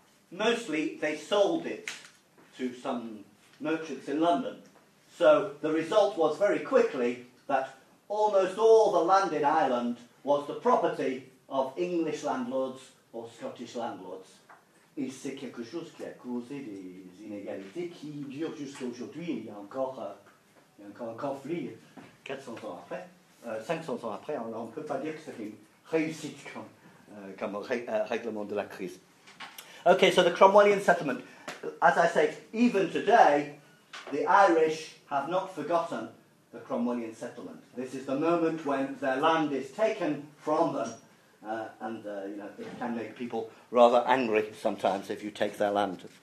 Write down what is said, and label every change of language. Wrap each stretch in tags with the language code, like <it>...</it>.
<en>Mostly, they sold it to some merchants in London. So the result was very quickly that almost all the land in Ireland was the property of English landlords or Scottish landlords.</en> <fr>Et c'est quelque chose qui a causé des inégalités qui durent jusqu'à aujourd'hui. Il y a encore un conflit 400 ans après, 500 ans après. On ne peut pas dire que c'est une réussite comme règlement de la crise.</fr> <en>Okay, so the Cromwellian settlement. As I say, even today, the Irish have not forgotten the Cromwellian settlement. This is the moment when their land is taken from them. It can make people rather angry sometimes if you take their land.</en>